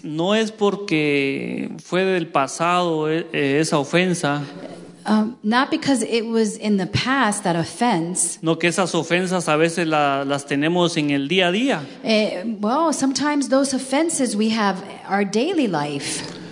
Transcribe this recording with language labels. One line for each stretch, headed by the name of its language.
Spanish: No es porque fue del pasado esa ofensa.
English: Not because it was in the past that offense.
Spanish: No, que esas ofensas a veces las tenemos en el día a día.
English: Well, sometimes those offenses we have our daily life.